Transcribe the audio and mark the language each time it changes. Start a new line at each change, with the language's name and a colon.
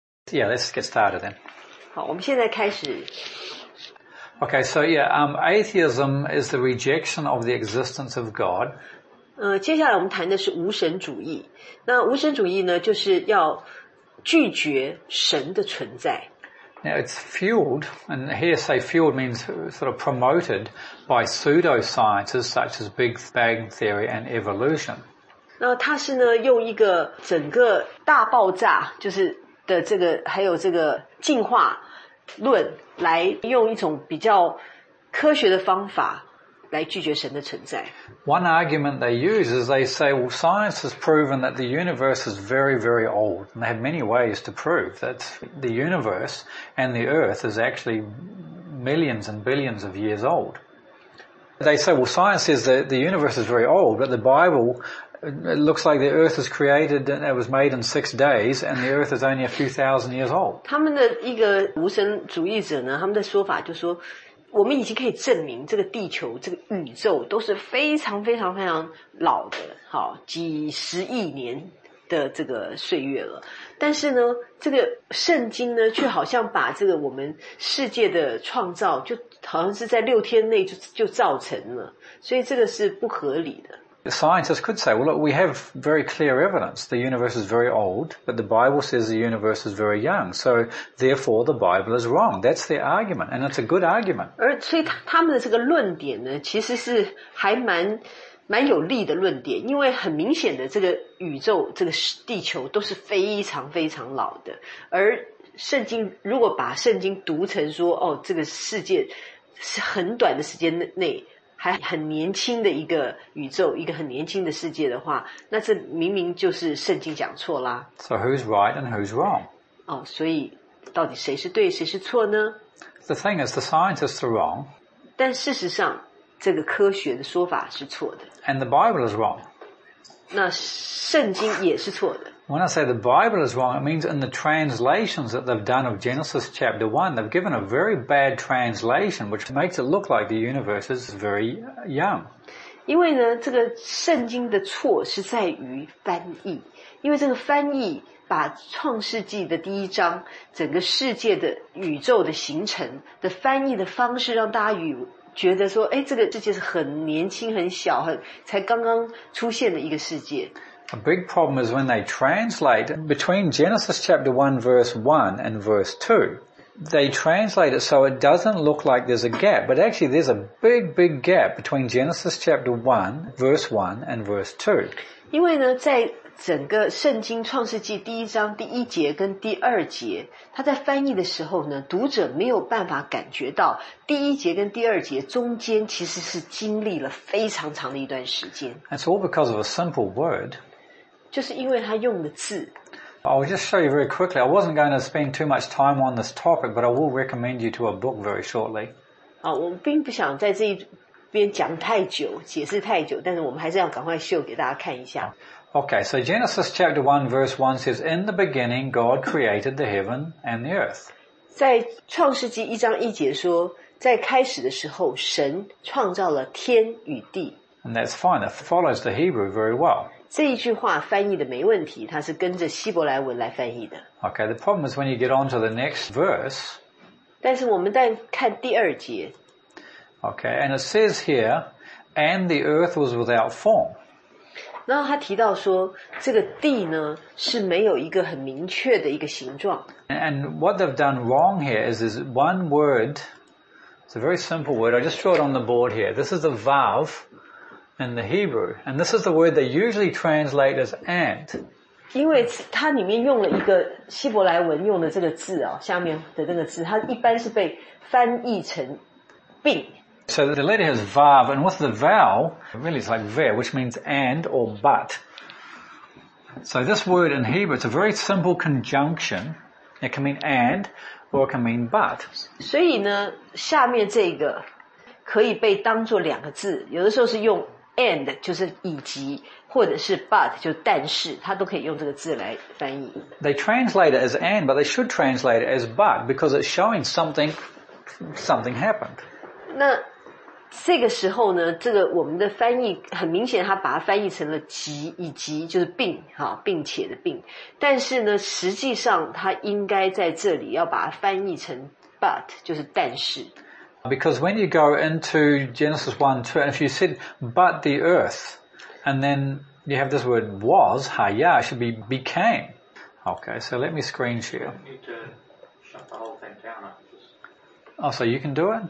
English: Yeah, let's get started then.
Chinese: 好，我们现在开始。
English: Okay, so yeah, atheism is the rejection of the existence of God.
Chinese: 接下来我们谈的是无神主义。那无神主义呢，就是要拒绝神的存在。
English: Now it's fueled, and here say fueled means sort of promoted by pseudosciences such as Big Bang Theory and evolution.
Chinese: 那它是呢，用一个整个大爆炸，就是的这个，还有这个进化论，来用一种比较科学的方法来拒绝神的存在。
English: One argument they use is they say, well, science has proven that the universe is very, very old, and they have many ways to prove that the universe and the earth is actually millions and billions of years old. They say, well, science says that the universe is very old, but the Bible, it looks like the earth is created and it was made in 6 days, and the earth is only a few thousand years old.
Chinese: 他们的一个无神主义者呢，他们的说法就是说，我们已经可以证明这个地球这个宇宙都是非常非常非常老的，好，几十亿年的这个岁月了。但是呢，这个圣经呢，却好像把这个我们世界的创造就好像是在六天内 就造成了，所以这个是不合理的。
English: Scientists could say, well, look, we have very clear evidence. The universe is very old, but the Bible says the universe is very young. So, therefore, the Bible is wrong. That's their argument, and it's a good argument.
Chinese: 而所以他们的这个论点呢，其实是还蛮有利的论点，因为很明显的这个宇宙，这个地球都是非常非常老的。而圣经，如果把圣经读成说，哦，这个世界是很短的时间内还很年轻的一个宇宙，一个很年轻的世界的话，那这明明就是圣经讲错啦。
English: So who's right and who's wrong?
Chinese: 哦，所以到底谁是对，谁是错呢？
English: The thing is, the scientists are wrong.
Chinese: 但事实上，这个科学的说法是错的。
English: And the Bible is wrong.
Chinese: 那圣经也是错的。
English: When I say the Bible is wrong, it means in the translations that they've done of Genesis chapter 1, they've given a very bad translation, which makes it look like the universe is very young.
Chinese: 因为呢，这个圣经的错是在于翻译，因为这个翻译把创世纪的第一章，整个世界的宇宙的形成的翻译的方式，让大家觉得说，哎，这个世界是很年轻、很小、很才刚刚出现的一个世界。
English: A big problem is when they translate between Genesis chapter 1 verse 1 and verse 2. They translate it so it doesn't look like there's a gap, but actually there's a big, big gap between Genesis chapter 1 verse 1 and verse 2.
Chinese: 因为呢，在整个圣经创世纪第一章第一节跟第二节，它在翻译的时候呢，读者没有办法感觉到第一节跟第二节中间其实是经历了非常长的一段时间。
English: It's all because of a simple word.
Chinese: 就是因为他用的字。
English: I'll just show you very quickly. I wasn't going to spend too much time on this topic, but I will recommend you to a book very shortly.
Chinese: 我并不想在这边讲太久，解释太久，但是我们还是要赶快秀给大家看一下。
English: Okay, so Genesis chapter 1 verse 1 says, In the beginning, God created the heaven and the earth.
Chinese: 在创世纪一章一节说，在开始的时候，神创造了天与地。
English: And that's fine. It follows the Hebrew very well.
Chinese: 这一句话翻译的没问题，它是跟着希伯来文来翻译的。
English: Okay, the problem is when you get on to the next verse.
Chinese: 但是我们再看第二节。
English: Okay, and it says here, and the earth was without form.
Chinese: 然后他提到说，这个地呢，是没有一个很明确的一个形状。
English: And what they've done wrong here is one word, it's a very simple word, I just draw it on the board here. This is the vav. In the Hebrew. And this is the word they usually translate as ant.
Chinese: 因为它里面用了一个希伯来文用的这个字哦，下面的这个字，它一般是被翻译成病。
English: So the letter has vav, and with the vav, really it's like ve, which means and or but. So this word in Hebrew, it's a very simple conjunction. It can mean and or it can mean but.
Chinese: 所以呢，下面这个可以被当作两个字，有的时候是用And 就是以及，或者是 but 就是但是，它都可以用这个字来翻译。
English: They translate it as and, but they should translate it as but because it's showing something happened.
Chinese: 那这个时候呢，这个我们的翻译很明显，他把它翻译成了及，以及就是并，并且的并。但是呢，实际上他应该在这里要把它翻译成 but， 就是但是。
English: Because when you go into Genesis 1:2, and if you said but the earth, and then you have this word was, hayah, should be became. Okay, so let me screen share. I need to shut the whole thing down. Oh, so you can do it?